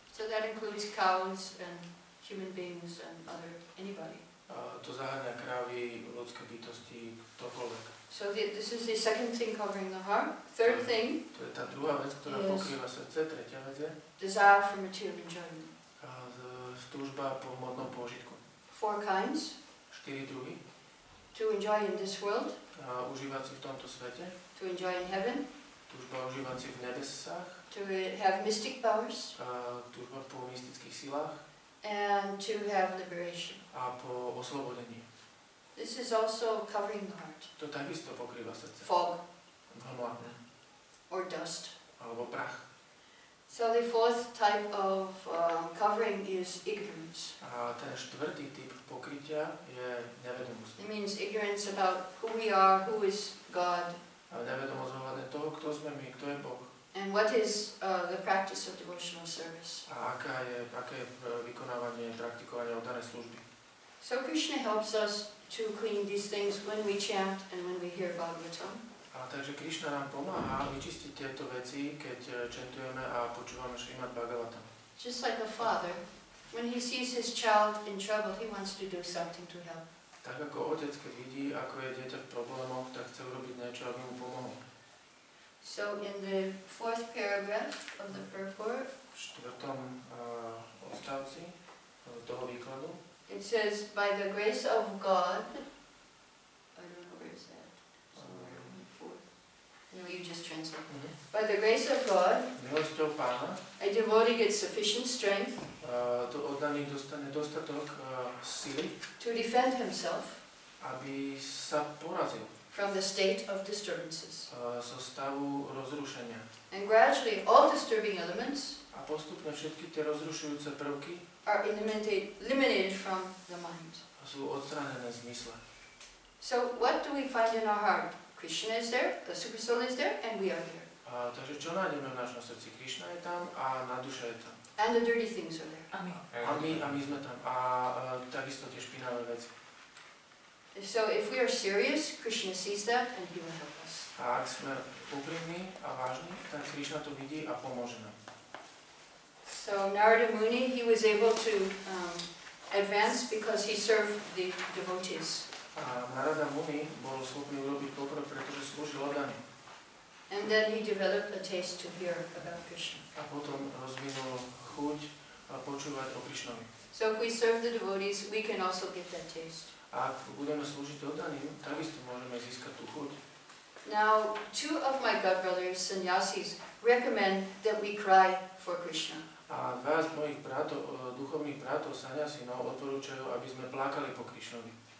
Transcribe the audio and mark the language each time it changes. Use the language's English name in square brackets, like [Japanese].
[English] So that includes cows and human beings and other anybody. [Slovak] To zahŕňa kravy, ľudské bytosti, ktokoľvek. [English] So this is the second thing covering the heart. Third thing. [Slovak] To je tá druhá vec, ktorá pokrýva srdce. Tretia vec je. [English] Desire for material enjoyment. [Slovak] Túžba po hmotnom požitku. [English] Four kinds. [Slovak] Štyri druhy. [English] To enjoy in this world. [Slovak] Užívať si v tomto svete. [English] To enjoy in heaven. [Slovak] Túžba užívať si v nebesách. [English] To have mystic powers. [Slovak] Túžba po mystických silách. [English] And to have liberation. [Slovak] A po oslobodení. [English] This is also covering the heart. [Slovak] To takisto pokrýva srdce. [English] Fog. [Slovak] Hmla. [English] Or dust. [Slovak] Alebo prach. [English] So the fourth type of covering is ignorance. [Slovak] A ten štvrtý typ pokrytia je nevedomosť. [English] It means ignorance about who we are, who is God. [Slovak] A nevedomosť ohľadne toho, kto sme my, kto je Boh. [English] And what is the practice of devotional service? [Slovak] A aké vykonávanie, praktikovanie oddanej služby. [English] So Krishna helps us to clean these things when we chant and when we hear Bhagavatam. [Slovak] A takže Krishna nám pomáha vyčistiť tieto veci, keď chantujeme a počúvame Srimad Bhagavatam. [English] Just like a father, when he sees his child in trouble, he wants to do something to help. [Slovak] Tak ako otec, keď vidí, ako je dieťa v problémoch, tak chce urobiť niečo, aby mu pomohol. [English] So in the fourth paragraph of the purport, [Slovak] v štvrtom odstavci toho výkladu, [English] it says, by the grace of God, I don't know where it's at, somewhere in the fourth. No, you just translate. Mm-hmm. By the grace of God, [Slovak] milosťou Pána, [English] a devotee gets sufficient strength [Slovak] to oddaný dostane dostatok síly, [English] to defend himself, [Slovak] aby sa porazil, [English] from the state of disturbances, [Slovak] zo stavu rozrušenia. [English] And gradually all disturbing elements, [Slovak] a postupne všetky tie rozrušujúce prvky, [English] are eliminated from the mind. [Slovak] A sú odstránené z mysle. [English] So what do we find in our heart? Krishna is there, the super soul is there, and we are there. [Slovak] Takže čo nájdeme v našom srdci? Krishna je tam a na duša je tam. [English] And the dirty things are there. [Slovak] A my sme tam. A takisto tie špinavé veci. [English] So if we are serious, Krishna sees that and he will help us. [Slovak] A ak sme úprimní a vážni, tak Krishna to vidí a pomôže nám. [English] So Narada Muni, he was able to advance because he served the devotees. [Slovak] Narada Muni bol schopný urobiť pokrok, pretože slúžil oddaným. [English] And then he developed a taste to hear about Krishna. [Slovak] A potom rozvinul chuť počúvať o Krishnovi. [English] So if we serve the devotees, we can also get that taste. [Slovak] A ak budeme slúžiť oddaným, takisto môžeme získať tú chuť. [English] Now, two of my god brothers, sannyasis, recommend that we cry for Krishna. [Slovak] A dva z mojich bratov, duchovných bratov, sannyasinov, odporúčajú, aby sme plakali po Krišnovi.